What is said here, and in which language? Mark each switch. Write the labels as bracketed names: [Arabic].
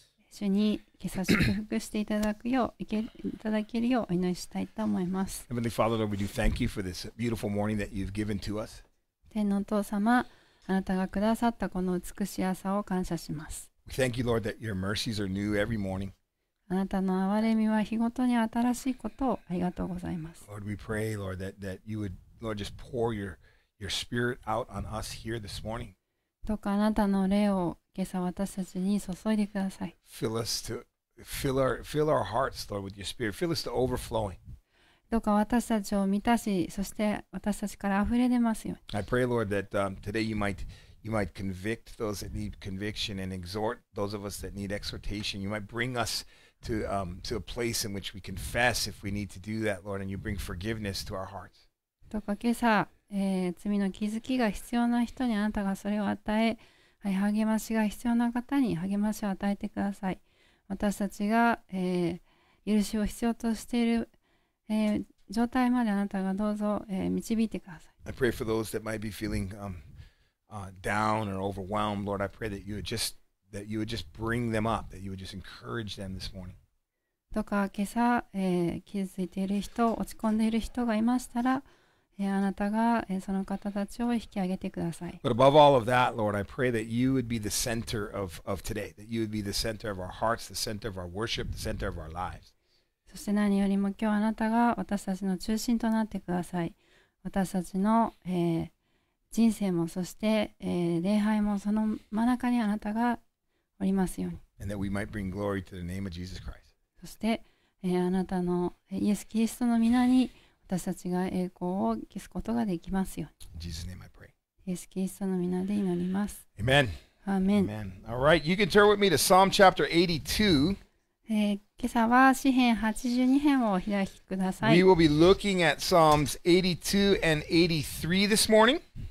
[Japanese] 主に今朝祝福していただくよう、いただけるようお祈りしたいと思います。 [English] Heavenly Father, Lord, we do thank you for this beautiful morning that you've given to us. [Japanese] 天のお父様、あなたがくださったこの美しい朝を感謝します。 [English] We thank you, Lord, that your mercies are new every morning. [Japanese] あなたの憐れみは日ごとに新しいことをありがとうございます。 [English] Lord, we pray, Lord, that you would, Lord, just pour your spirit out on us here this morning. [Japanese] どうかあなたの霊を今朝私たちに注いでください。 [English] Fill our hearts, Lord, with your spirit. Fill us to overflowing. [Japanese] どうか私たちを満たし、そして私たちから溢れ出ますように。 [English] I pray, Lord, that today you might convict those that need conviction and exhort those of us that need exhortation. You might bring us to a place in which we confess if we need to do that, Lord, and you bring forgiveness to our hearts. [Japanese] どうか今朝、罪の気づきが必要な人にあなたがそれを与え、はい、励ましが必要な方に励ましを与えてください。私たちが、許しを必要としている、状態まであなたがどうぞ、導いてください。 [English] I pray for those that might be feeling down or overwhelmed, Lord, I pray that you would just bring them up, that you would just encourage them this morning. [Japanese] どうか今朝、傷ついている人、落ち込んでいる人がいましたら、あなたが、その方たちを引き上げてください。 [English] But above all of that, Lord, I pray that you would be the center of today, that you would be the center of our hearts, the center of our worship, the center of our lives. [Japanese] そして何よりも今日あなたが私たちの中心となってください。私たちの、人生もそして、礼拝もその真ん中にあなたがおりますように。 [English] And that we might bring glory to the name of Jesus Christ. [Japanese] そして、あなたのイエス・キリストの御名に私たちが栄光を期すことができますように。 [English] In Jesus' name I pray. [Japanese] イエス・キリストの御名で祈ります。 [English] Amen. Amen. Amen. All right, you can turn with me to Psalm chapter 82. [Japanese] 今朝は詩編82編を開きください。 [English] We will be looking at Psalms 82 and 83 this morning.